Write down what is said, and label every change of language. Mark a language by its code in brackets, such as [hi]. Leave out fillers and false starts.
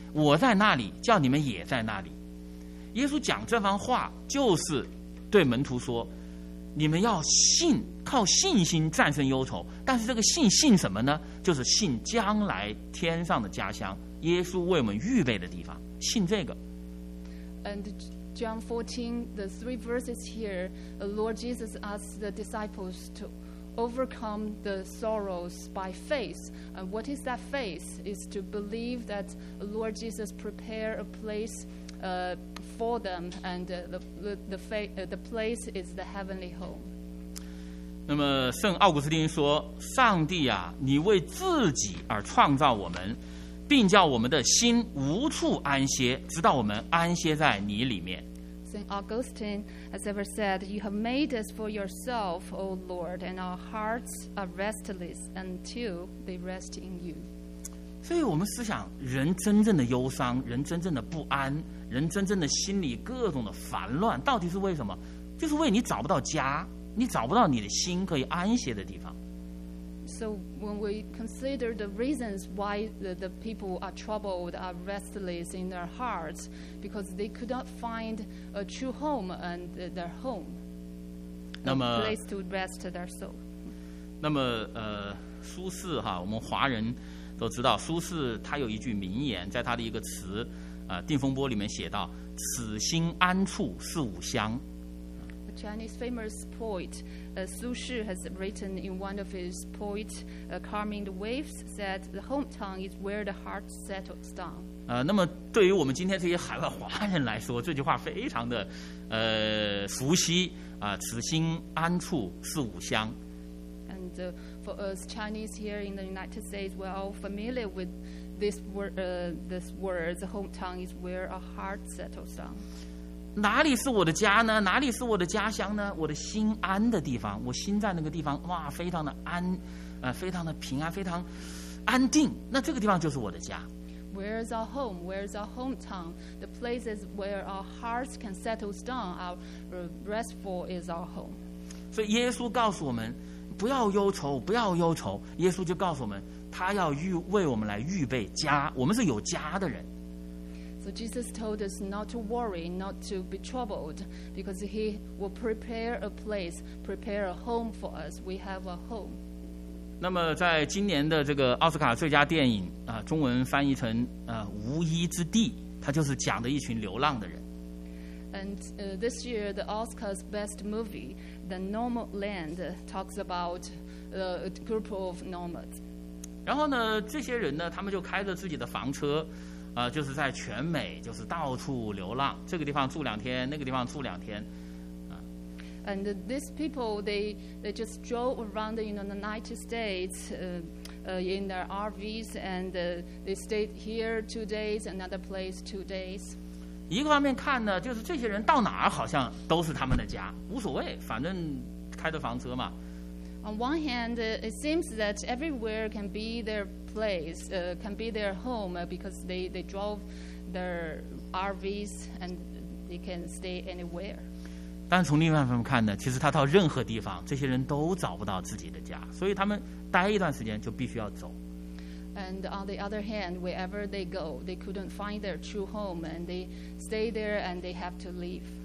[zh] 我在那里，叫你们也在那里。耶稣讲这番话就是对门徒说，你们要信，靠信心战胜忧愁。但是这个信什么呢？就是信将来天上的家乡，耶稣为我们预备的地方，信这个。 [en] And John 14, the three verses here, the Lord Jesus asked the disciples to overcome the sorrows by faith. And what is that faith? It's to believe that the Lord Jesus prepared a place for them, and the place is the heavenly home. [zh] 那么圣奥古斯丁说，上帝啊，你为自己而创造我们，并叫我们的心无处安歇，直到我们安歇在你里面。 [en] St. Augustine has ever said, You have made us for yourself, O Lord, and our hearts are restless until they rest in you. [zh] 所以我们思想，人真正的忧伤，人真正的不安，人真正的心里各种的烦乱，到底是为什么？就是为你找不到家，你找不到你的心可以安歇的地方。 [en] So when we consider the reasons why the people are troubled, are restless in their hearts, because they could not find a true home and their home, a place to rest their soul. [zh] 那么苏轼哈，我们华人都知道，苏轼他有一句名言，在他的一个词《定风波》里面写到：“此心安处是吾乡。” [en] A Chinese famous poet. Su Shi has written in one of his poems, Calming the Waves, that the hometown is where the heart settles down. [zh] 那么对于我们今天这些海外华人来说，这句话非常的熟悉啊，此心安处是吾乡。 [en] And for us Chinese here in the United States, we're all familiar with this word, the hometown is where our heart settles down. [zh] 哪里是我的家呢？哪里是我的家乡呢？我的心安的地方，我心在那个地方，哇，非常的安，非常的平安，非常安定。那这个地方就是我的家。 [en] Where is our home? Where is our hometown? The places where our hearts can settle down, our restful is our home. [zh] 所以耶稣告诉我们，不要忧愁，不要忧愁。耶稣就告诉我们，他要为我们来预备家。我们是有家的人。 [en] So Jesus told us not to worry, not to be troubled, because He will prepare a place, prepare a home for us. We have a home. [zh] 那么在今年的这个奥斯卡最佳电影啊，中文翻译成无依之地，它就是讲的一群流浪的人。 [en] And this year the Oscar's best movie, The Nomadland, talks about a group of nomads. [zh] 然后呢，这些人呢，他们就开着自己的房车。就是在全美，就是到处流浪，这个地方住两天，那个地方住两天， [en] And these people, they just drove around the United States, in their RVs, and they stayed here 2 days, another place 2 days. [zh] 一个方面看呢，就是这些人到哪儿好像都是他们的家，无所谓，反正开着房车嘛。 [en] On one hand, it seems that everywhere can be their place, can be their home, because they drove their RVs and they can stay anywhere. [zh] 但从另外一方面看呢，其实他到任何地方，这些人都找不到自己的家，所以他们待一段时间就必须要走。 [en] And on the other hand, wherever they go, they couldn't find their true home, and they stay there, and they have to leave.